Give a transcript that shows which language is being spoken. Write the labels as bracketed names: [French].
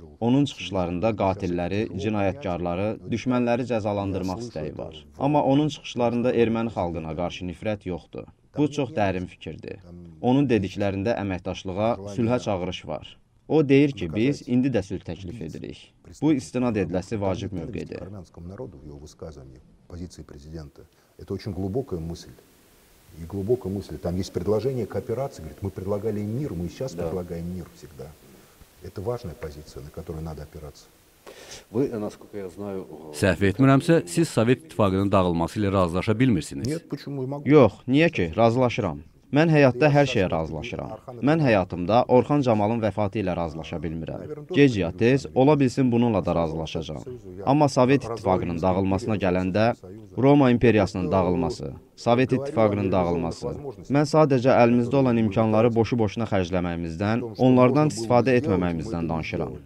[Azerbaijani] Onun çıxışlarında qatilləri, cinayətkarları, düşmənləri cəzalandırmaq istəyi var. Amma onun çıxışlarında erməni xalqına qarşı nifrət yoxdur. Bu çox dərin fikirdir. Onun dediklərində əməkdaşlığa, sülhə çağırış var. O deyir ki, biz indi də sülh təklif edirik. Bu istinad ediləsi vacib mövqedir. [Russian] Армянскому народу в его высказывании позиции президента. Это очень глубокая мысль. И глубокая мысль. Там есть предложение кооперации, говорит, мы предлагали мир, мы сейчас предлагаем мир всегда. Это важная позиция, на которую надо опираться. Вы, насколько я знаю, [Azerbaijani] Səhv etmirəmsə, siz Sovet İttifaqının dağılması ilə razılaşa bilmirsiniz. [Russian] Нет, почему? [Azerbaijani] Yox, niyə ki, razılaşıram. Mən həyatda hər şeyə razılaşıram. Mən həyatımda Orxan Camalın vəfatı ilə razılaşa bilmirəm. Gec ya tez, ola bilsin bununla da razılaşacağam. Amma Sovet İttifaqının dağılmasına gələndə, Roma İmperiyasının dağılması, Sovet İttifaqının dağılması, mən sadəcə əlimizdə olan imkanları boşu-boşuna xərcləməyimizdən, onlardan istifadə etməməyimizdən danışıram.